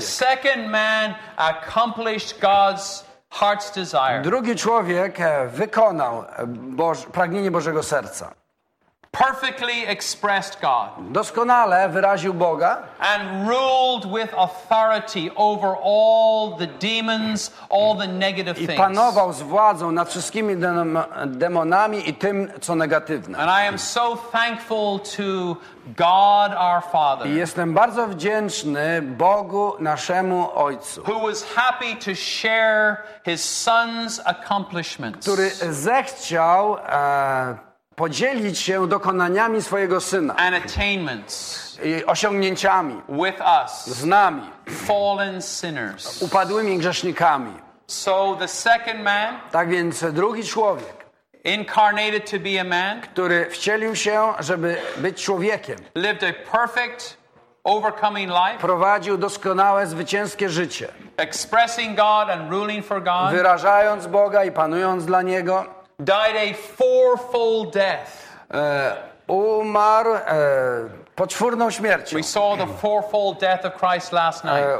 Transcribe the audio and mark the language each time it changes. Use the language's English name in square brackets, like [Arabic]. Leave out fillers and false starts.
[English] The second man accomplished God's heart's desire. [Polish] Drugi człowiek wykonał pragnienie Bożego serca. [English] Perfectly expressed God. [Polish] Doskonale wyraził Boga. [English] And ruled with authority over all the demons, all the negative things. [Polish] I panował z władzą nad wszystkimi demonami i tym, co negatywne. [English] And I am so thankful to God our Father. [Polish] I jestem bardzo wdzięczny Bogu naszemu Ojcu. [English] Who was happy to share his son's accomplishments. [Polish] Który zechciał podzielić się dokonaniami swojego syna [English] and attainments [Polish] i osiągnięciami [English] with us, [Polish] z nami [English] fallen sinners. [Polish] Upadłymi grzesznikami. [English] So the second man, [Polish] tak więc drugi człowiek, [English] incarnated to be a man, [Polish] który wcielił się, żeby być człowiekiem, [English] lived a perfect, overcoming life, [Polish] prowadził doskonałe, zwycięskie życie, [English] expressing God and ruling for God, [Polish] wyrażając Boga i panując dla Niego. [English] Died a fourfold death. [Polish] Umarł poczwórną śmiercią. [English] We saw the fourfold death of Christ last night.